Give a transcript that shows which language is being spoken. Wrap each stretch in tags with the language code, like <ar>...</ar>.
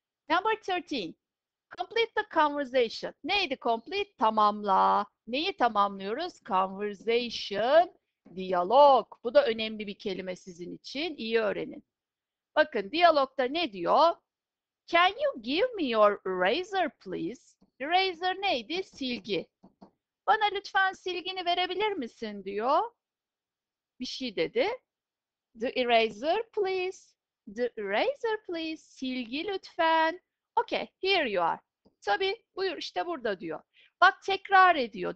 <en>Number 13. Complete the conversation.</en> <tr>Neydi complete? Tamamla. Neyi tamamlıyoruz? Conversation, diyalog. Bu da önemli bir kelime sizin için. İyi öğrenin. Bakın diyalogda ne diyor?</tr> <en>Can you give me your razor please?</en> <tr>Razor neydi? Silgi. Bana lütfen silgini verebilir misin diyor. Bir şey dedi.</tr> <en>The eraser please. The eraser please.</en> <tr>Silgi lütfen.</tr> <en>Okay, here you are.</en> <tr>Tabii, buyur işte burada diyor. Bak tekrar ediyor.</tr>